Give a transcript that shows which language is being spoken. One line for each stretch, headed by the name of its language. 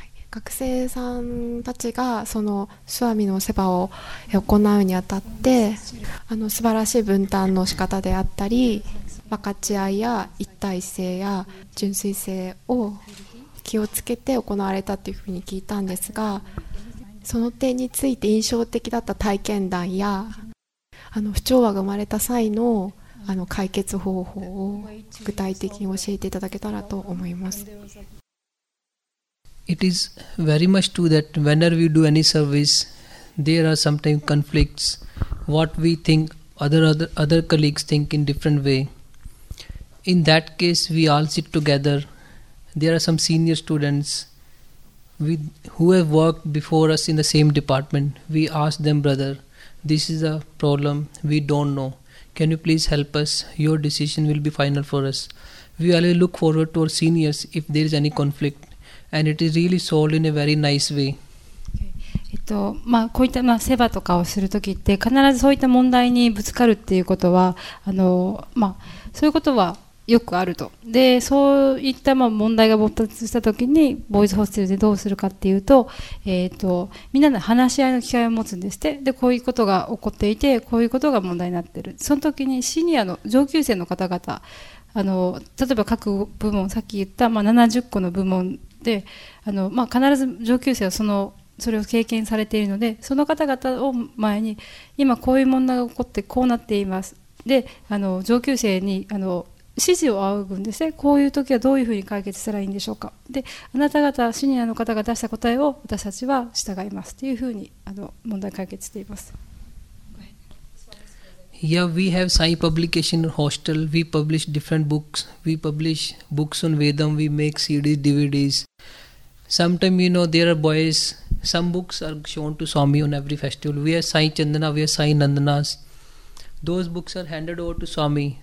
Japanese: 学生さんたちがそのスワミのセバを行うにあたって、素晴らしい分担の仕方であったり、分かち合いや一体性や純粋性を気をつけて行われたというふうに聞いたんですが、その点について印象的だった体験談や、不調和が生まれた際の、解決方法を具体的に教えていただけたらと思います。
English: It is very much true that whenever we do any service, there are sometimes conflicts. What we think, other colleagues think in different way. In that case, we all sit together. There are some senior students who have worked before us in the same department. We ask them, brother, this is a problem. We don't know. Can you please help us? Your decision will be final for us. We always look forward to our seniors if there is any conflict. And it is really solved in a very nice way.
Japanese: こういったセバとかをするときって、必ずそういった問題にぶつかるっていうことは、そういうことはよくあると。で、そういった問題が勃発したときに、ボーイズホステルでどうするかっていうと、みんなで話し合いの機会を持つんですって。で、こういうことが起こっていて、こういうことが問題になってる。そのときにシニアの上級生の方々、例えば各部門、さっき言った70個の部門で、必ず上級生はそれを経験されているので、その方々を前に、今こういう問題が起こってこうなっています。で、上級生に指示を仰ぐんですね。こういう時はどういうふうに解決したらいいんでしょうか。で、あなた方シニアの方が出した答えを私たちは従いますというふうに問題解決しています。
English: Yeah, we have Sai Publication Hostel. We publish different books. We publish books on Vedam. We make CDs, DVDs. Sometimes, there are boys. Some books are shown to Swami on every festival. We are Sai Chandana. We are Sai Nandanas. Those books are handed over to Swami.